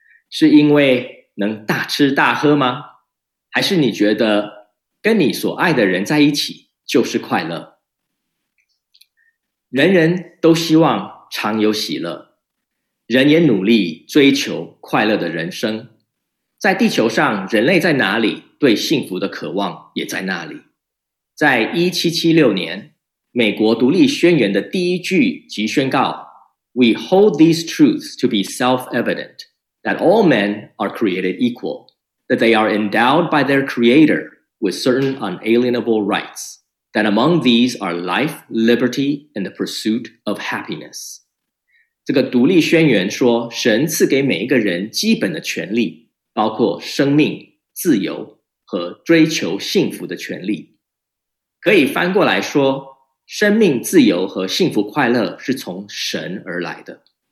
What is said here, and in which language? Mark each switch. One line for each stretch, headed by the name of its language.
Chinese: 是因为能大吃大喝吗？还是你觉得跟你所爱的人在一起就是快乐？人人都希望常有喜乐，人也努力追求快乐的人生。在地球上，人类在哪里，对幸福的渴望也在那里。在1776年，美国独立宣言的第一句即宣告
English: We hold these truths to be self-evident, that all men are created equal, that they are endowed by their creator with certain unalienable rights, that among these are life, liberty, and the pursuit of happiness.
Chinese: 这个独立宣言说，神赐给每一个人基本的权利，包括生命、自由和追求幸福的权利。可以翻过来说，生命、自由和幸福、快乐是从神而来的。